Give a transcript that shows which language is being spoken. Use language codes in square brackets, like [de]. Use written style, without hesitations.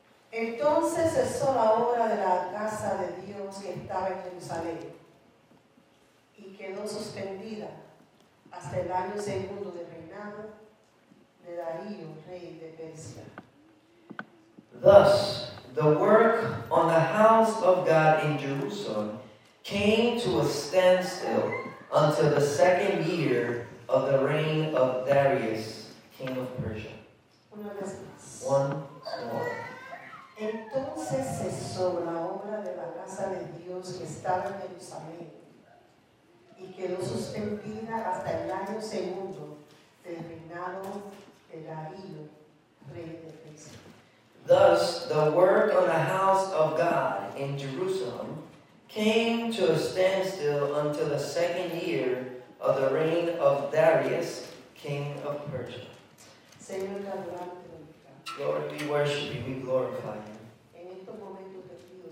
[es] Entonces cesó la obra de la casa de Dios que estaba en Jerusalén y quedó suspendida hasta el año segundo de reinado de Darío, rey de Persia. [en] Thus, the work on the house of God in Jerusalem came to a standstill until the second year of the reign of Darius, king of Persia. [es] Una vez más. [en] One more. [es] Entonces cesó la obra de la casa de Dios que estaba en Jerusalén y quedó suspendida hasta el año segundo del reinado de Darío, rey de Persia. [en] Thus, the work on the house of God in Jerusalem came to a standstill until the second year of the reign of Darius, king of Persia. [es] Señor, [en] Lord, we worship you, we glorify you.